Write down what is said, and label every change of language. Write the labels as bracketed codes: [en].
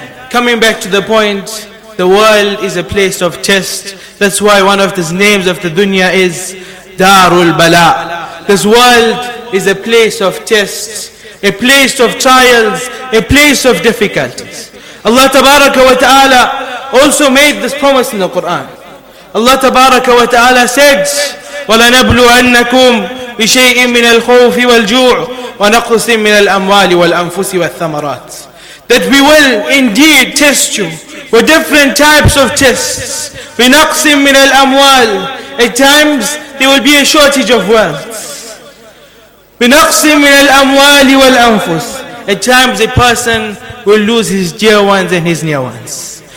[en] Coming back to the point, the world is a place of test. That's why one of the names of the dunya is Darul Bala. This world is a place of tests, a place of trials, a place of difficulties. Allah Tabaraka wa Ta'ala also made this promise in the Quran. Allah Tabaraka wa Ta'ala said, [ar] وَلَنَبْلُوَنَّكُمْ بِشَيْءٍ مِنَ الْخَوْفِ وَالْجُوعِ وَنَقْصٍ مِنَ الْأَمْوَالِ وَالْأَنفُسِ وَالثَّمَرَاتِ. [en] That we will indeed test you with different types of tests. [ar] بِنَقْصٍ مِنَ الْأَمْوَالِ. [en] At times there will be a shortage of wealth. [ar] بِنَقْصٍ مِنَ الْأَمْوَالِ وَالْأَنفُسِ. [en] At times a person will lose his dear ones and his near ones.